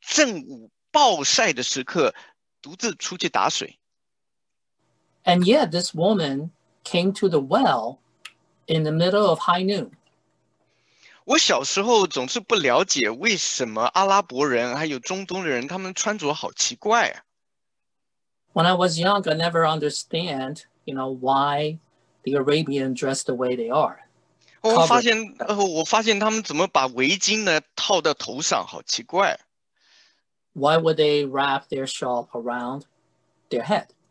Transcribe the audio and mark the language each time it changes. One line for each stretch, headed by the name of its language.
Chinese: 而她却需要单独的在中东正午暴晒的时刻， 独自出去打水。
English: And yet this woman came to the well in the middle of high noon.
Chinese: 我小时候总是不了解为什么阿拉伯人还有中东的人他们穿着好奇怪啊。
English: When I was young, I never understand, you know, why the Arabian dressed the way they are.
Chinese: 我发现他们怎么把围巾呢套到头上好奇怪。
English: Why would they wrap their shawl around their head?